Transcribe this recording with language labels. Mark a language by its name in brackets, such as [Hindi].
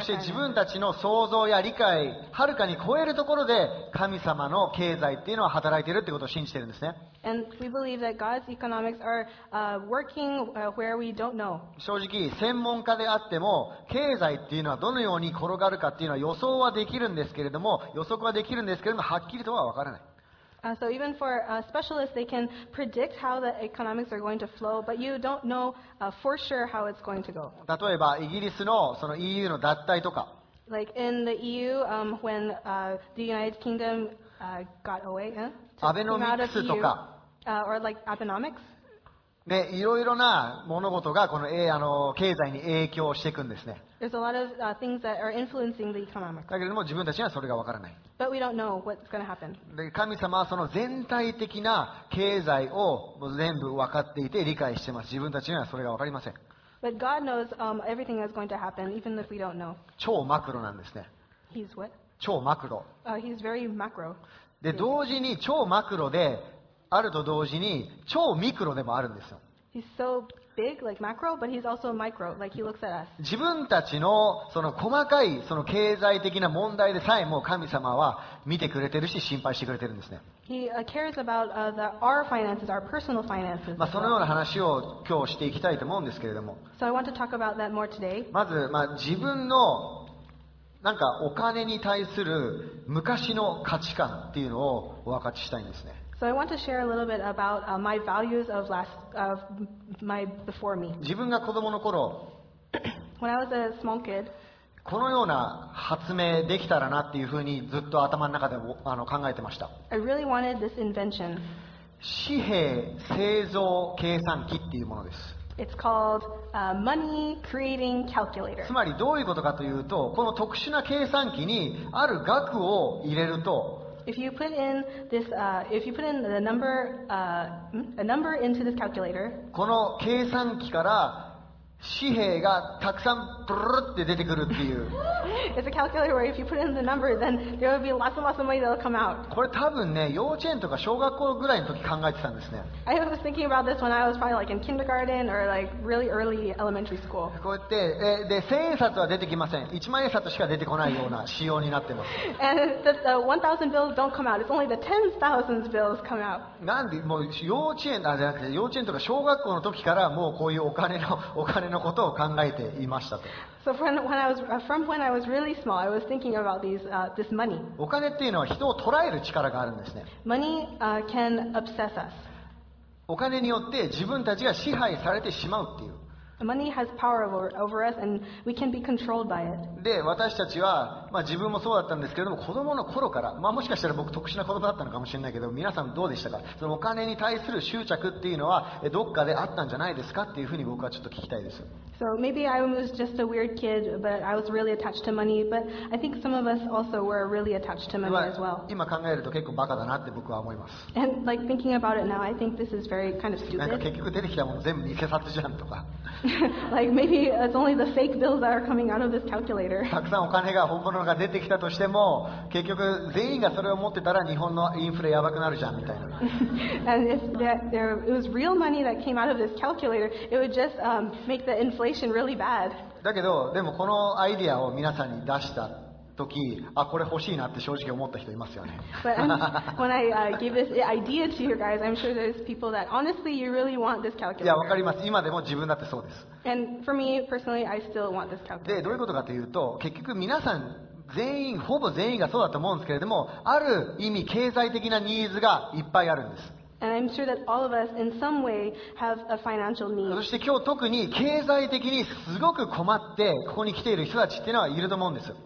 [Japanese] して自分たちの想像や理解はるかに超えるところで神様の経済っていうのは働いているってことを信じているんですね。 [English] And we believe that God's economics are working where we don't know. [Japanese] 正直専門家であっても経済っていうのはどのように転がるかっていうのは予想はできるんですけれども、予測はできるんですけれども、はっきりとは分からない。 [English] So even for specialists, they can predict how the economics are going to flow, but you don't know for sure how it's going to go. [Japanese] 例えばイギリスのその EU の脱退とか。 [English] Like in the EU, when the United Kingdom got away, [Japanese] アベノミクスとか。 [English] Or like Abenomics. [Japanese] ね、いろいろな物事がこの経済に影響していくんですね。 [English] There's a lot of things that are influencing the economics. [Japanese] だけれども自分たちにはそれがわからない。 [English] But we don't know what's going to happen. [Japanese] 神様はその全体的な経済を全部分かっていて理解しています。自分たちにはそれがわかりません。 [English] But God knows everything that's going to happen, even if we don't know. [Japanese] 超マクロなんですね。 [English] He's what? [Japanese] 超マクロ。 [English] He's very macro. [Japanese] で、同時に超マクロであると同時に超ミクロでもあるんですよ。 [English] He's so big, like macro, but he's also micro, like he looks at us. [Japanese] 自分たちのその細かいその経済的な問題でさえも神様は見てくれてるし心配してくれてるんですね。 [English] He cares about our finances, our personal finances. [Japanese] まあそのような話を今日していきたいと思うんですけれども。 [English] So I want to talk about that more today. [Japanese] まずまあ自分のなんかお金に対する昔の価値観っていうのをお分かちしたいんですね。 [English] So I want to share a little bit about my values of last of my before me. [Japanese] 自分が子供の頃、 [English] when I was a small kid, [Japanese] このような発明できたらなっていうふうにずっと頭の中で考えてました。 [English] I really wanted this invention. [Japanese] 紙幣製造計算機っていうものです。 [English] It's called money creating calculator. [Japanese] つまりどういうことかというと、この特殊な計算機にある額を入れると。 [English] If you put in this, if you put in the number, a number into this calculator, [Japanese] この計算機から紙幣がたくさんプルルって出てくるっていう。 [English] It's a calculator where if you put in the number, then there will be lots and lots of money that'll come out. [Japanese] これ多分ね、幼稚園とか小学校ぐらいの時考えてたんですね。 [English] I was thinking about this when I was probably like in kindergarten or like really early elementary school. [Japanese] こうやって、で、千円札は出てきません。1万円札しか出てこないような仕様になってます。 [English] And the 1,000 bills don't come out. It's only the 10,000 bills come out. [Japanese] なんで、もう幼稚園、あ、じゃなくて幼稚園とか小学校の時からもうこういうお金のことを考えていましたと。 [English] So from when I was really small, I was thinking about this money. [Japanese] お金っていうのは人を捉える力があるんですね。 [English] Money can obsess us. [Japanese] お金によって自分たちが支配されてしまうっていう。 [English] Money has power over us, and we can be controlled by it. [Japanese] で、私たちは、まあ自分もそうだったんですけれども、子供の頃から、まあもしかしたら僕特殊な子供だったのかもしれないけど、皆さんどうでしたか？そのお金に対する執着っていうのはどっかであったんじゃないですかっていうふうに僕はちょっと聞きたいです。 [English] So maybe I was just a weird kid, but I was really attached to money. But I think some of us also were really attached to money as well. [Japanese] 今考えると結構バカだなって僕は思います。 [English] And like thinking about it now, I think this is very kind of stupid. [Japanese] なんか結局出てきたもの全部偽札じゃんとか。 [English] Like maybe it's only the fake bills that are coming out of this calculator. [Japanese] たくさんお金が本物が出てきたとしても、結局全員がそれを持ってたら日本のインフレやばくなるじゃんみたいな。 [English] And if there it was real money that came out of this calculator, it would just make the inflation really bad. [Japanese] だけどでもこのアイディアを皆さんに出した時、あ、これ欲しいなって正直思った人いますよね。 [English] But when I give this idea to you guys, I'm sure there's people that honestly you really want this calculator. [Japanese] いや、わかります。今でも自分だってそうです。 [English] And for me personally, I still want this calculator. [Japanese] で、どういうことかというと、結局皆さん全員、ほぼ全員がそうだと思うんですけれども、ある意味経済的なニーズがいっぱいあるんです。 [English] And I'm sure that all of us in some way have a financial need. [Japanese] そして今日特に経済的にすごく困ってここに来ている人たちっていうのはいると思うんです。